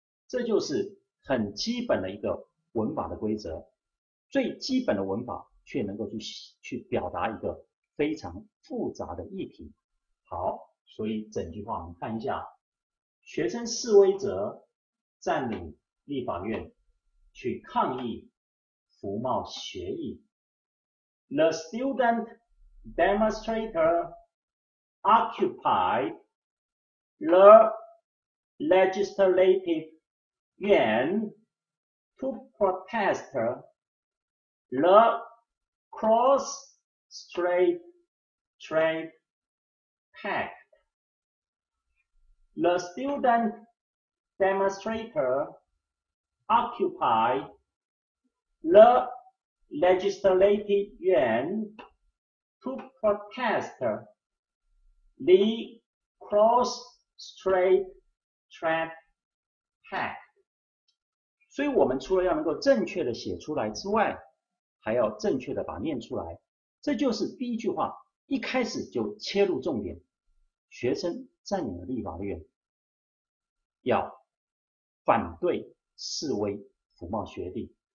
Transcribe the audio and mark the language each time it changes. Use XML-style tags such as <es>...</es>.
<zh>这就是很基本的一个文法的规则，最基本的文法却能够去表达一个非常复杂的议题。好，所以整句话我们看一下，学生示威者占领立法院去抗议服贸协议。</zh> <en>The student demonstrator occupied the legislative yuan to protest the cross-strait trade pact. The student demonstrator occupied the legislative yuan to protest the cross-strait trade pact.</en> <zh>所以我们除了要能够正确的写出来之外，还要正确的把它念出来。这就是第一句话一开始就切入重点，学生占领了立法院要反对示威服贸协定。</zh>